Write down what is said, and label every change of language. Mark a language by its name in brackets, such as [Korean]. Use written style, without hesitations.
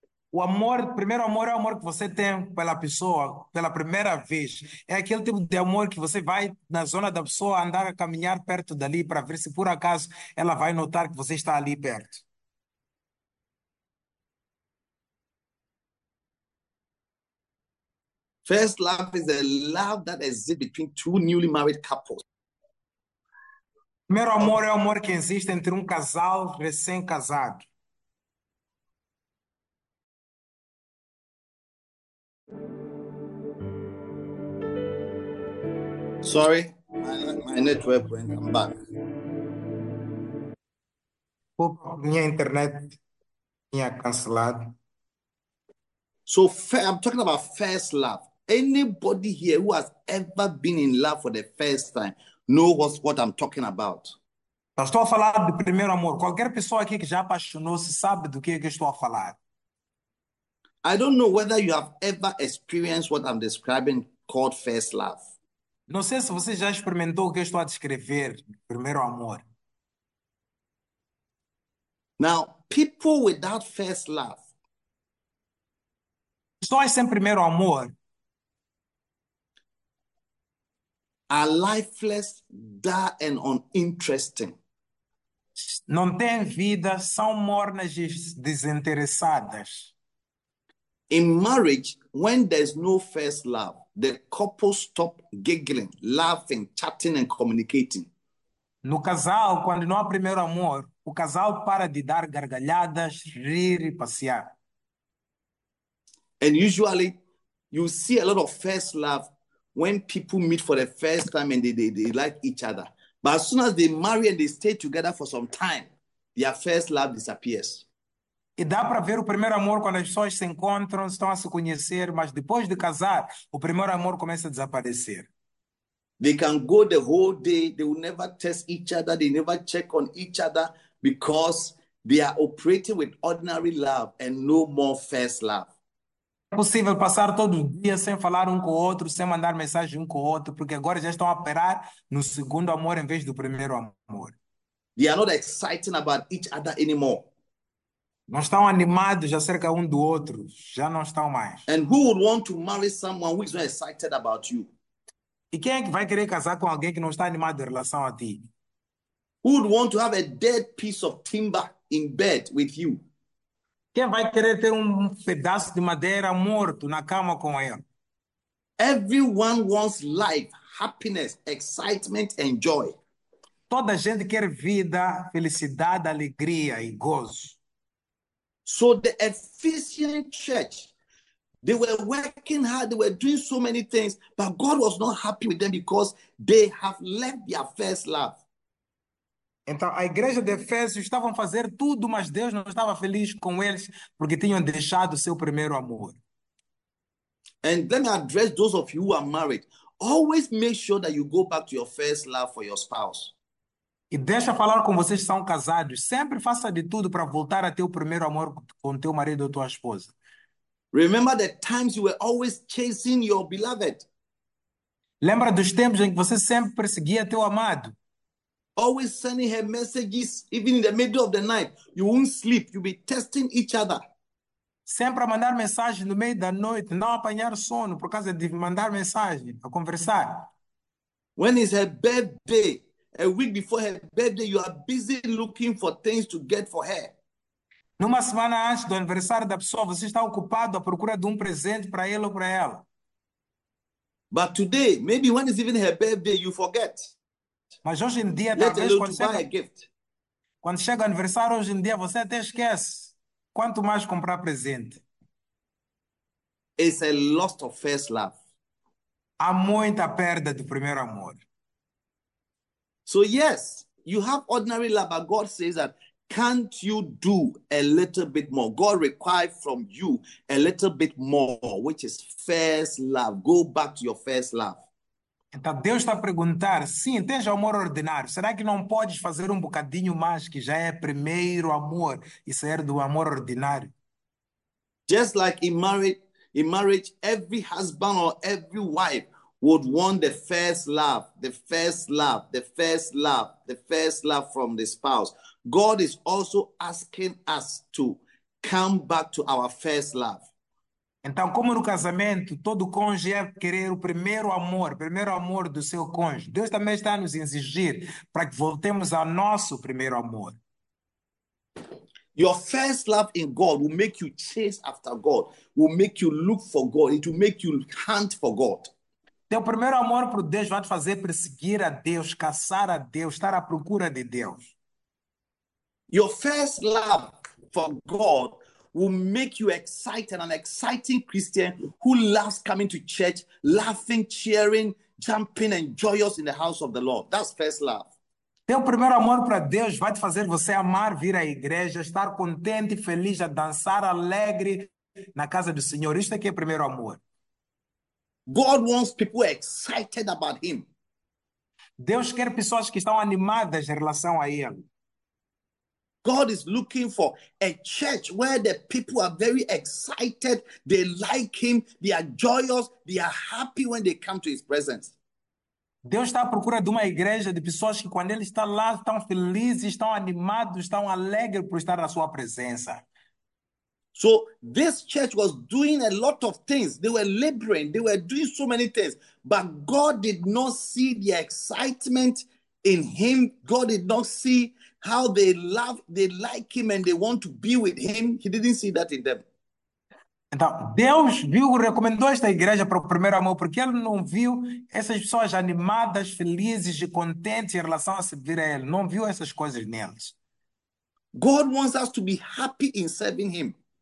[Portuguese] O amor, primeiro amor é o amor que você tem pela pessoa pela primeira vez. É aquele tipo de amor que você vai na zona da pessoa andar a caminhar perto dali para ver se por acaso ela vai notar que você está ali perto. [English] First love is a love that exists between two newly married couples. [Portuguese] Primeiro amor é o amor que existe entre um casal recém-casado. [English] Sorry, my network went. I'm back. [Portuguese] Minha internet tinha cancelado. [English] So, I'm talking about first love. Anybody here who has ever been in love for the first time know what I'm talking about. [Portuguese] Estou a falar de primeiro amor. Qualquer pessoa aqui que já apaixonou-se sabe do que estou a falar. [English] I don't know whether you have ever experienced what I'm describing called first love. [Portuguese] Não sei se você já experimentou o que estou a descrever, primeiro amor. [English] Now, people without first love. [Portuguese] Só sem primeiro amor. [English] Are lifeless, dull, and uninteresting. [Portuguese] Não têm vida, são mornas e desinteressadas. [English] In marriage, when there's no first love, the couple stop giggling, laughing, chatting, and communicating. [Portuguese] No casal, quando não há primeiro amor, o casal para de dar gargalhadas, rir e passear. [English] And usually, you see a lot of first love. When people meet for the first time and they like each other. But as soon as they marry and they stay together for some time, their first love disappears. [Portuguese] E dá para ver o primeiro amor quando as pessoas se encontram, estão a se conhecer, mas depois de casar, o primeiro amor começa a desaparecer. [English] They can go the whole day, they will never test each other, they never check on each other because they are operating with ordinary love and no more first love. [Portuguese] É possível passar todo dia sem falar um com o outro, sem mandar mensagem um com o outro, porque agora já estão a operar no segundo amor em vez do primeiro amor. [English] They are not exciting about each other anymore. [Portuguese] Não estão animados acerca um do outro, já não estão mais. [English] And who would want to marry someone who is not excited about you? [Portuguese] E quem é que vai querer casar com alguém que não está animado em relação a ti? [English] Who would want to have a dead piece of timber in bed with you? [Portuguese] Quem vai querer ter um pedaço de madeira morto na cama com ele? [English] Everyone wants life, happiness, excitement, and joy. [Portuguese] Toda a gente quer vida, felicidade, alegria e gozo. [English] So the Ephesian church, they were working hard, they were doing so many things, but God was not happy with them because they have left their first love. [Portuguese] Então, a igreja de Efésios estavam a fazer tudo, mas Deus não estava feliz com eles porque tinham deixado o seu primeiro amor. [English] And let me address those of you who are married. Always make sure that you go back to your first love for your spouse. [Portuguese] E deixa falar com vocês que são casados. Sempre faça de tudo para voltar a ter o primeiro amor com teu marido ou tua esposa. [English] Remember the times you were always chasing your beloved. [Portuguese] Lembra dos tempos em que você sempre perseguia teu amado? [English] Always sending her messages, even in the middle of the night. You won't sleep. You'll be testing each other. [Portuguese] Sempre a mandar mensagem no meio da noite, não apanhar sono por causa de mandar mensagem, a conversar. [English] When is her birthday? A week before her birthday, you are busy looking for things to get for her. [Portuguese] Numa semana antes do aniversário da pessoa, você está ocupado à procura de um presente para ele ou para ela. [English] But today, maybe when it's even her birthday, you forget. [Portuguese] Mas hoje em dia, [English] Let [Portuguese] talvez, [English] alone to buy a gift. [Portuguese] quando chega o aniversário, hoje em dia, você até esquece. Quanto mais comprar presente? [English] It's a lost of first love. [Portuguese] Há muita perda do primeiro amor. [English] So, yes, you have ordinary love, but God says that can't you do a little bit more? God requires from you a little bit more, which is first love. Go back to your first love. [Portuguese] Então Deus está a perguntar: sim, tens amor ordinário. Será que não podes fazer um bocadinho mais que já é primeiro amor e sair do amor ordinário? [English] Just like in marriage, every husband or every wife would want the first love, the first love, the first love, the first love from the spouse. God is also asking us to come back to our first love. [Portuguese] Então, como no casamento, todo cônjuge é querer o primeiro amor do seu cônjuge. Deus também está a nos exigir para que voltemos ao nosso primeiro amor. [English] Your first love in God will make you chase after God, will make you look for God, it will make you hunt for God. [Portuguese] Teu primeiro amor por Deus vai te fazer perseguir a Deus, caçar a Deus, estar à procura de Deus. [English] Your first love for God will make you excited, an exciting Christian who loves coming to church, laughing, cheering, Jumping and joyous in the house of the Lord. That's first love. [Portuguese] Teu primeiro amor para Deus vai te fazer você amar vir à igreja, estar contente e feliz, a dançar alegre na casa do Senhor. Isto é que é primeiro amor. [English] God wants people excited about him. [Portuguese] Deus quer pessoas que estão animadas em relação a Ele. [English] God is looking for a church where the people are very excited. They like him. They are joyous. They are happy when they come to his presence. [Portuguese] Deus está à procura de uma igreja de pessoas que, quando ele está lá, estão felizes, estão animados, estão alegres por estar na sua presença. [English] So this church was doing a lot of things. They were laboring. They were doing so many things. But God did not see the excitement in him. God did not see how they like him and they want to be with him. He didn't see that in them. [Portuguese] Então, Deus viu, recomendou esta igreja para o primeiro amor, porque ele não viu essas pessoas animadas, felizes e contentes em relação a servir a ele. Não viu essas coisas neles. [English] God wants us to be happy in serving him.